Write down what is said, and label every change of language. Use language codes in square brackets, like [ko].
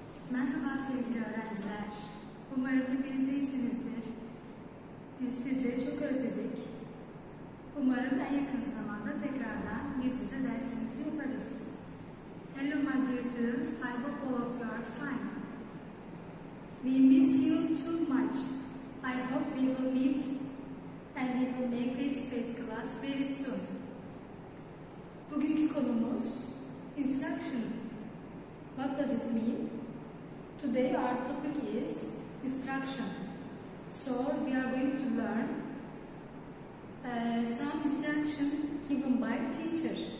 [tr] Merhaba sevgili öğrenciler. Umarım hepiniz iyisinizdir. Biz sizleri çok özledik. Umarım en yakın zamanda tekrardan yüz yüze dersimizi yaparız. [en] Hello my dear students, I hope all of you are fine. We miss you too much. I hope we will meet and we will make face-to-face class very soon. [tr] Bugünkü konumuz instruction. [en] What does it mean? Today our topic is instruction. So we are going to learn some instruction given by teacher.